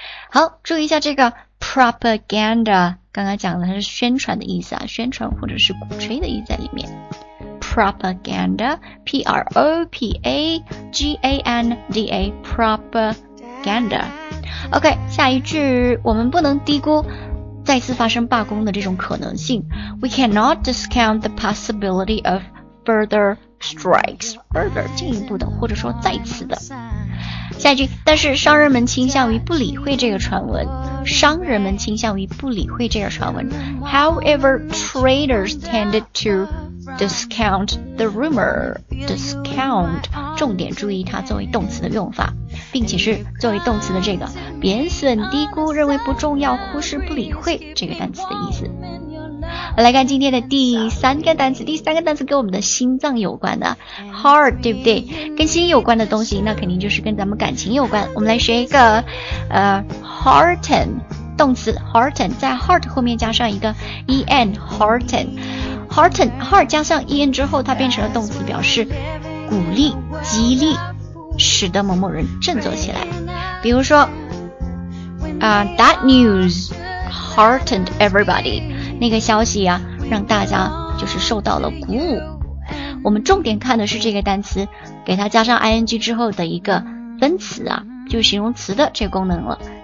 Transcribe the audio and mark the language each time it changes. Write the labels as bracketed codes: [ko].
[zh] 好，注意一下这个 propaganda， 刚刚讲的它是宣传的意思啊，宣传或者是鼓吹的意思在里面。 [en] propaganda， p r o p a g a n d a， propaganda。 [zh] OK， 下一句，我们不能低估再次发生罢工的这种可能性。 [en] We cannot discount the possibility of further strikes， further [zh] 进一步的，或者说再次的。下一句，但是商人们倾向于不理会这个传闻。商人们倾向于不理会这个传闻。 [en] However, traders tended to discount the rumor. [zh] Discount， 重点注意它作为动词的用法，并且是作为动词的这个贬损、低估、认为不重要、忽视、不理会这个单词的意思。来看今天的第三个单词，第三个单词跟我们的心脏有关的 heart， 对不对？跟心有关的东西，那肯定就是跟咱们感情有关。我们来学一个hearten 动词 ，hearten 在 heart 后面加上一个 en，hearten，hearten heart 加上 en 之后，它变成了动词，表示鼓励、激励，使得某某人振作起来。比如说 [en] that news heartened everybody。 [zh] 那个消息啊，让大家就是受到了鼓舞。我们重点看的是这个单词，给它加上 ing 之后的一个分词啊，就是形容词的这个功能了。